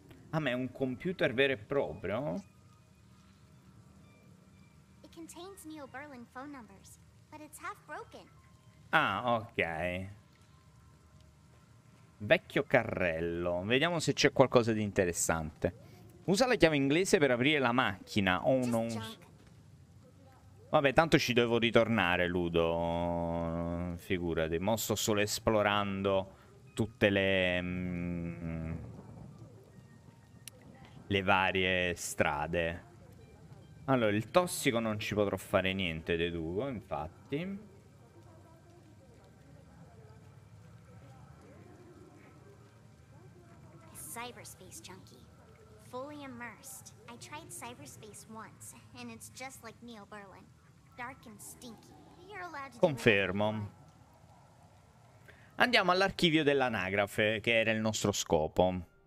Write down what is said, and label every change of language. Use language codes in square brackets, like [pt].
[it] Ah, ma è un computer vero e proprio? [en] Contains Neo Berlin phone numbers, but it's half broken. [it] Ah, ok. Vecchio carrello. Vediamo se c'è qualcosa di interessante. Usa la chiave inglese per aprire la macchina. Oh no. Vabbè, tanto ci devo ritornare, Ludo. Figurati. Mo sto solo esplorando tutte le varie strade. Allora, il tossico non ci potrò fare niente, deduco, infatti. [en] Cyberspace junkie. Fully immersed. I tried cyberspace once, and it's just like Neo Berlin. Dark and stinky. You're allowed to. [it] Confermo. Andiamo all'archivio dell'anagrafe, che era il nostro scopo.